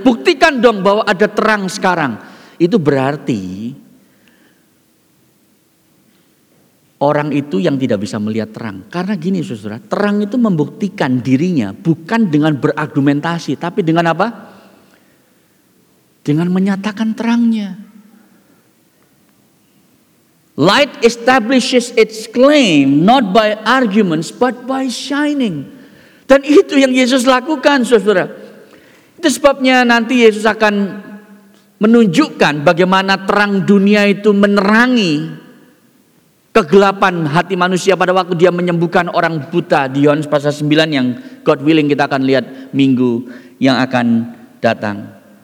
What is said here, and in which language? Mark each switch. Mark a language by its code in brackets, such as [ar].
[id] Buktikan dong bahwa ada terang sekarang. Itu berarti orang itu yang tidak bisa melihat terang. Karena gini saudara, terang itu membuktikan dirinya bukan dengan berargumentasi, tapi dengan apa? Dengan menyatakan terangnya. [en] Light establishes its claim not by arguments but by shining. [id] Dan itu yang Yesus lakukan, saudara. Itu sebabnya nanti Yesus akan menunjukkan bagaimana terang dunia itu menerangi kegelapan hati manusia pada waktu dia menyembuhkan orang buta di Yohanes pasal 9 yang [en] God willing [id] kita akan lihat minggu yang akan datang.